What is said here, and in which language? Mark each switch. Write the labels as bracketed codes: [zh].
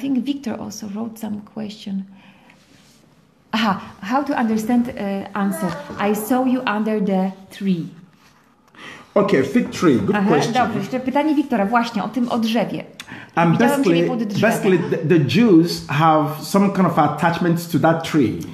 [en] think Victor also wrote some question. Aha, how to understand answer? I saw you under the tree. Okay, fig tree. Good aha, question. [pl] Dobrze, jeszcze pytanie Wiktora właśnie o tym o drzewie. [en] And basically the Jews have some kind of attachment to that tree.